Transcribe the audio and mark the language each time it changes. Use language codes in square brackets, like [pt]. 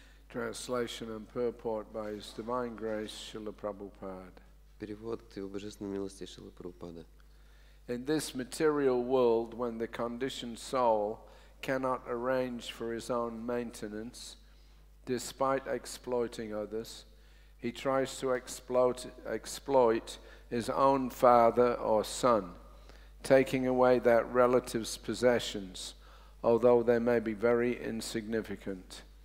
[en] Translation and purport by His Divine Grace Srila Prabhupada. [ru] Перевод Его Божественной милости Шрилы Прабхупады. [en] In this material world, when the conditioned soul cannot arrange for his own maintenance, despite exploiting others, he tries to exploit his own father or son, taking away that relative's possessions, although they may be very insignificant.